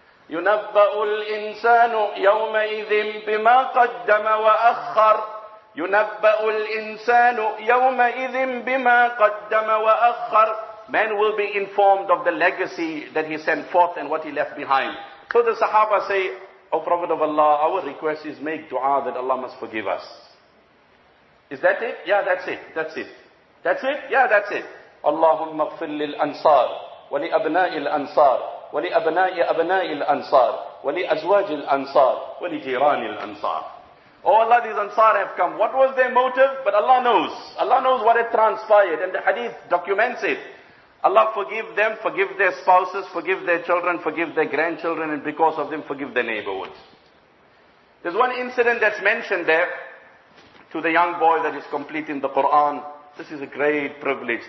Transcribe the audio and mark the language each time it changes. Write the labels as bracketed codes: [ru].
[ar] يُنَبَّأُ الْإِنسَانُ يَوْمَئِذٍ بِمَا قَدَّمَ وَأَخَّرَ [en] يُنَبَّأُ الْإِنسَانُ يَوْمَئِذٍ بِمَا قَدَّمَ وَأَخَّرَ Man will be informed of the legacy that he sent forth and what he left behind. So the Sahaba say, O Prophet of Allah, our request is make dua that Allah must forgive us. Is that it? Yeah, that's it. That's it. That's it? Yeah, that's it. [ar] اللهم اغفر للأنصار ولأبناء الأنصار ولأبناء أبناء الأنصار ولأزواج الأنصار ولجيران الأنصار [en] Oh Allah, these Ansar have come. What was their motive? But Allah knows. Allah knows what had transpired. And the hadith documents it. Allah forgive them, forgive their spouses, forgive their children, forgive their grandchildren, and because of them, forgive their neighborhoods. There's one incident that's mentioned there. to the young boy that is completing the Quran. This is a great privilege.